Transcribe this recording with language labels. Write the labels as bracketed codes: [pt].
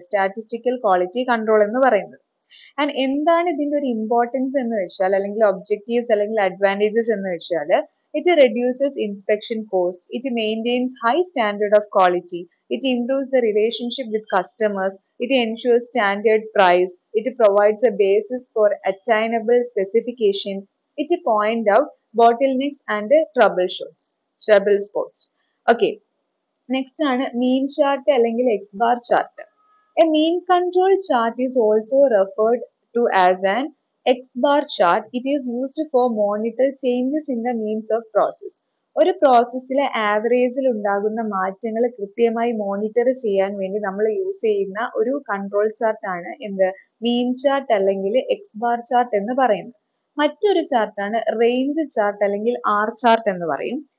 [ml] Statistical quality control എന്ന് പറയുന്നത്. And എന്താണ് ഇതിന്റെ ഒരു ഇമ്പോർട്ടൻസ് എന്ന് വെച്ചാൽ, [en] അല്ലെങ്കിൽ ഒബ്ജക്റ്റീവ്സ് അല്ലെങ്കിൽ അഡ്വാൻറ്റേജസ് എന്ന് വെച്ചാൽ, it reduces inspection cost, it maintains high standard of quality, it improves the relationship with customers, it ensures standard price, it provides a basis for attainable specification, it point out bottlenecks and trouble spots. [ml] Okay, next ആണ് മീൻ chart അല്ലെങ്കിൽ X bar chart. [en] A mean control chart is also referred to as an X-bar chart. It is used for monitor changes in the means of process. [ml] ഒരു പ്രോസസ്സിലെ ആവറേജിൽ ഉണ്ടാകുന്ന മാറ്റങ്ങൾ കൃത്യമായി monitor ചെയ്യാൻ വേണ്ടി നമ്മൾ use ചെയ്യുന്ന ഒരു കൺട്രോൾ ചാർട്ടാണ് എന്ത്? മീൻ ചാർട്ട് അല്ലെങ്കിൽ എക്സ് ബാർ ചാർട്ട് എന്ന് പറയുന്നത്. മറ്റൊരു ചാർട്ടാണ് റേഞ്ച് ചാർട്ട് അല്ലെങ്കിൽ ആർ ചാർട്ട് എന്ന് പറയും.